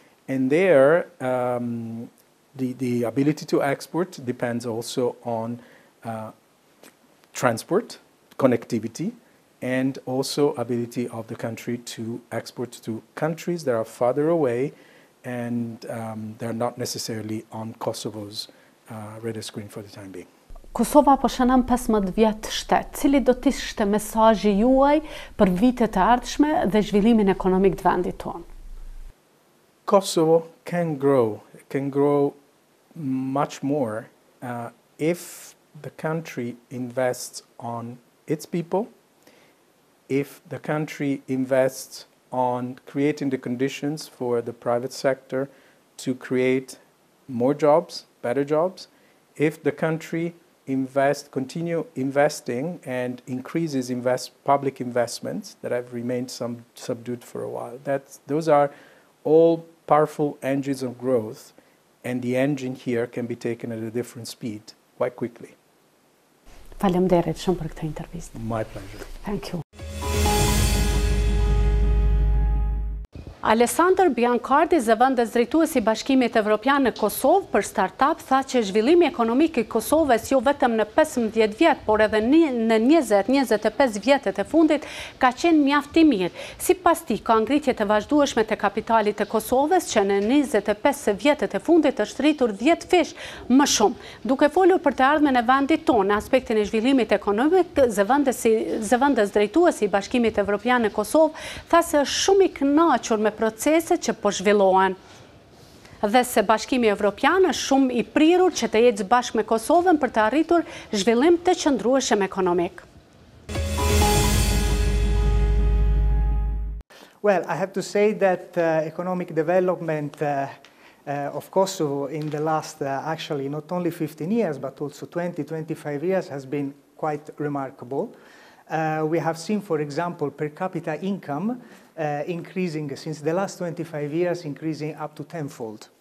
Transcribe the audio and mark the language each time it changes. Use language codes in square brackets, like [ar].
[en] And there, the ability to export depends also on transport, connectivity, and also ability of the country to export to countries that are farther away and they're not necessarily on Kosovo's radar screen for the time being. [sq] Kosova po shënon 15 vjet shtet. Cili do të ishte mesazhi juaj për vitet e ardhshme dhe zhvillimin ekonomik të vendit tonë? [en] Kosovo can grow much more if the country invests on its people, if the country invests on creating the conditions for the private sector to create more jobs, better jobs, if the country continues investing and increases public investments that have remained subdued for a while. Those are all powerful engines of growth, and the engine here can be taken at a different speed quite quickly. [sq] Faleminderit shumë për këtë intervistë. [en] My pleasure. Thank you. [sq] Alessandër Biancardi, zëvendës drejtues i Bashkimit Evropian në Kosovë për StartUp, tha që zhvillimi ekonomik i Kosovës jo vetëm në 15 vjet, por edhe në 20-25 vjetet e fundit ka qenë mjaft i mirë. Sipas tij, ka ngritje të vazhdueshme të kapitalit të Kosovës që në 25 vjetet e fundit është rritur 10 fish më shumë. Duke folur për të ardhmen e vendit tonë, aspektin e zhvillimit ekonomik, zëvendës drejtues i Bashkimit Evropian në Kosovë tha se është shumë i kënaqur me proceset që po zhvillohen dhe se Bashkimi Evropian është shumë i prirur që të jetë bashkë me Kosovën për të arritur zhvillim të qëndrueshëm ekonomik. [en] Well, I have to say that economic development of Kosovo in the last actually not only 15 years but also 20-25 years has been quite remarkable. We have seen, for example, per capita income increasing since the last 25 years, increasing up to tenfold.